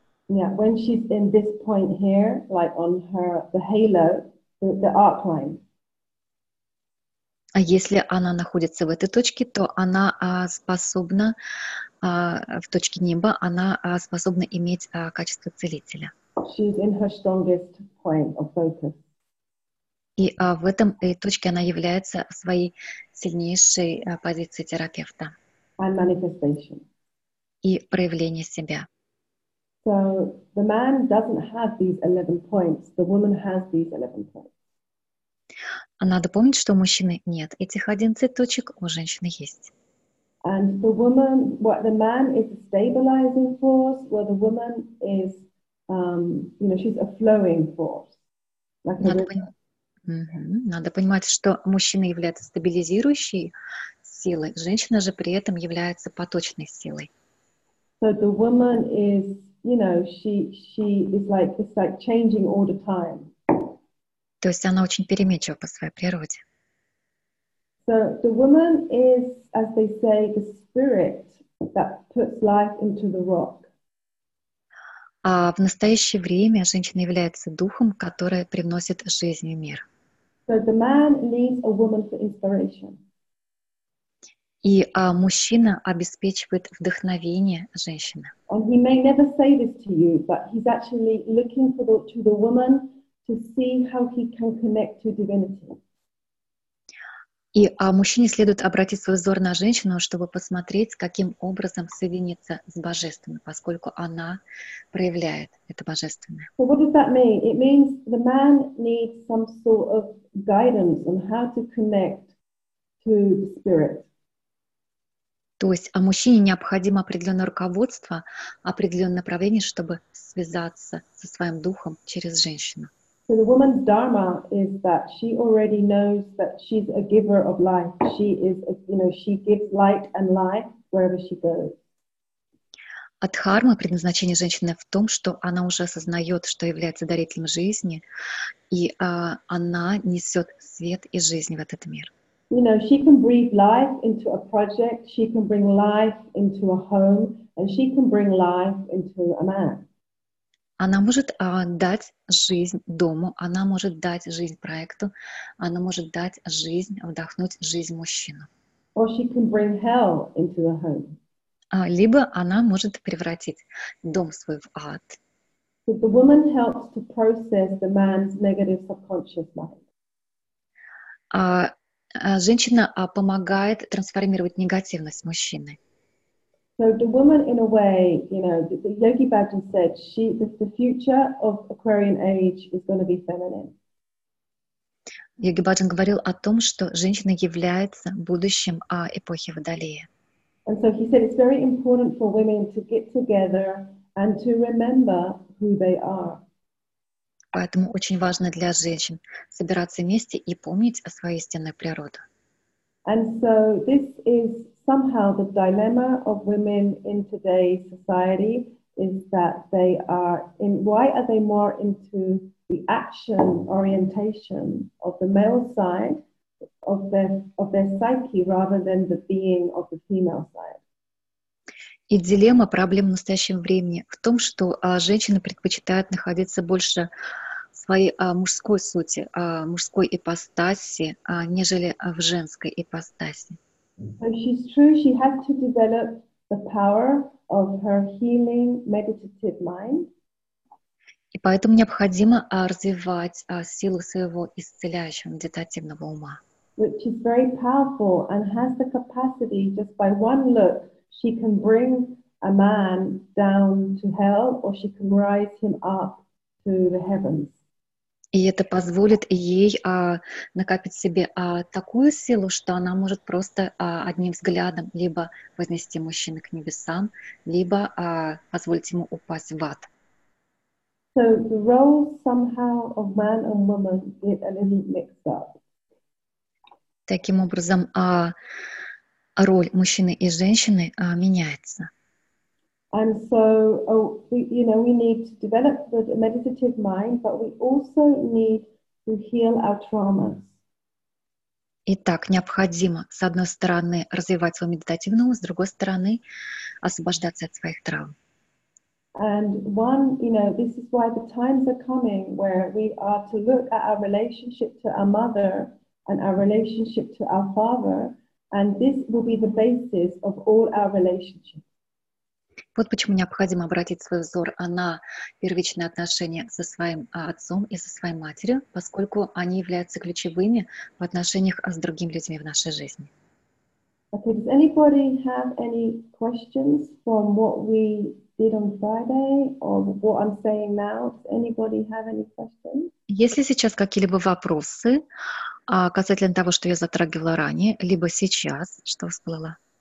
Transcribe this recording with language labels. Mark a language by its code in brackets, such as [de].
[en] Yeah, when she's in this point here, like on her the halo, the arc line. [ru] А если она находится в этой точке, то она способна в точке неба, она способна иметь качество целителя. [en] She's in her strongest point of focus. [ru] И в этом точке она является своей сильнейшей позицией терапевта. [en] And manifestation. [ru] И проявление себя. [en] So the man doesn't have these 11 points, the woman has these 11 points. [ru] Надо помнить, что у мужчины нет этих 11 точек, у женщины есть. [en] And the woman, what the man is a stabilizing force, where the woman is, you know, she's a flowing force. [ru] Like надо понимать, что мужчина является стабилизирующей силой, женщина же при этом является поточной силой. [en] So the woman is, you know, she is like, it's like changing all the time. [ru] То есть она очень переменчива по своей природе. [en] So the woman is, as they say, the spirit that puts life into the rock. [ru] А в настоящее время женщина является духом, который привносит жизнь в мир. [en] So the man leads a woman for inspiration. [ru] И мужчина обеспечивает вдохновение женщины. [en] And he may never say this to you, but he's actually looking for the, to the woman to see how he can connect to divinity. [ru] И мужчине следует обратить свой взор на женщину, чтобы посмотреть, каким образом соединиться с божественным, поскольку она проявляет это божественное. [en] So what does that mean? It means the man needs some sort of guidance on how to connect to the spirit. [ru] То есть мужчине необходимо определенное руководство, определенное направление, чтобы связаться со своим духом через женщину. [en] So the woman's dharma is that she already knows that she's a giver of life. She is, you know, she gives light and life wherever she goes. [ru] Адхарма, предназначение женщины в том, что она уже осознает, что является дарителем жизни, и она несет свет и жизнь в этот мир. [en] You know, she can breathe life into a project, she can bring life into a home, and she can bring life into a man. [ru] Она может дать жизнь дому, она может дать жизнь проекту, она может дать жизнь, вдохнуть жизнь мужчину. [en] Or she can bring hell into the home. [ru] Либо она может превратить дом свой в ад. [en] So the woman helps to process the man's negative subconscious mind. [ru] Женщина помогает трансформировать негативность мужчины. [en] So the woman, in a way, you know, the Yogi Bhajan said, she, the future of Aquarian age is going to be feminine. [ru] Yogi Bhajan говорил о том, что женщина является будущим эпохи Водолея. [en] And so he said, it's very important for women to get together and to remember who they are. [ru] Поэтому очень важно для женщин собираться вместе и помнить о своей истинной природе. [en] And so this is somehow the dilemma of women in today's society is that they are in, why are they more into the action orientation of the male side of their psyche rather than the being of the female side? [ru] И дилемма, проблема в настоящем времени в том, что женщины предпочитают находиться больше в своей мужской сути, мужской ипостаси, нежели в женской ипостаси. [en] So she's true, she has to develop the power of her healing meditative mind. [ru] И поэтому необходимо развивать силу своего исцеляющего медитативного ума. [en] which is very powerful and has the capacity, just by one look, she can bring a man down to hell, or she can rise him up to the heavens. [ru] И это позволит ей накопить себе такую силу, что она может просто одним взглядом либо вознести мужчину к небесам, либо позволить ему упасть в ад. [en] So the roles somehow of man and woman get a little mixed up. [ru] Таким образом, роль мужчины и женщины меняется. [en] And so, you know, we need to develop the meditative mind, but we also need to heal our traumas. [ru] Итак, необходимо, с одной стороны, развивать свой медитативный ум, с другой стороны, освобождаться от своих травм. [en] And one, you know, this is why the times are coming where we are to look at our relationship to our mother and our relationship to our father, and this will be the basis of all our relationships. [ru] Вот почему необходимо обратить свой взор на первичные отношения со своим отцом и со своей матерью, поскольку они являются ключевыми в отношениях с другими людьми в нашей жизни. [en] Okay, does anybody have any questions from what we did on Friday or what I'm saying now? Does anybody have any questions? [ru] Есть ли сейчас какие-либо вопросы касательно того, что я затрагивала ранее, либо сейчас, что всплыло?